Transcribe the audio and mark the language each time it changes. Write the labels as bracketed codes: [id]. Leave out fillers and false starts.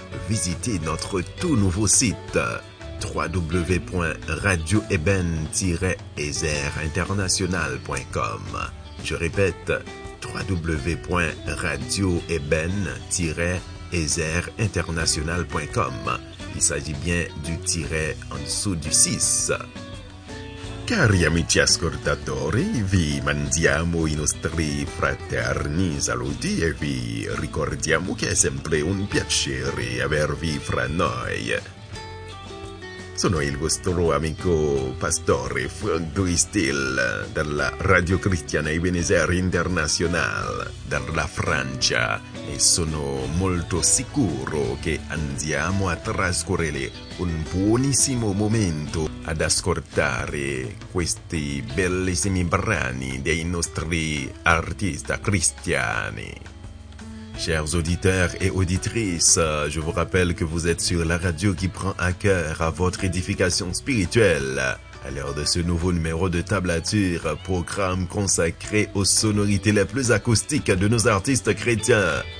[fr] Visitez notre tout nouveau site www.radioeben-ezerinternational.com. Je répète, www.radioeben-ezerinternational.com. Il s'agit bien du tiré en dessous du 6. [it] Cari amici ascoltatori, vi mandiamo i nostri fraterni saluti e vi ricordiamo che è sempre un piacere avervi fra noi. Sono il vostro amico pastore Frank Doristil dalla Radio Cristiana Ebenezer International dalla Francia e sono molto sicuro che andiamo a trascorrere un buonissimo momento ad ascoltare questi bellissimi brani dei nostri artisti cristiani. [fr] Chers auditeurs et auditrices, je vous rappelle que vous êtes sur la radio qui prend à cœur à votre édification spirituelle. À l'heure de ce nouveau numéro de tablature, programme consacré aux sonorités les plus acoustiques de nos artistes chrétiens.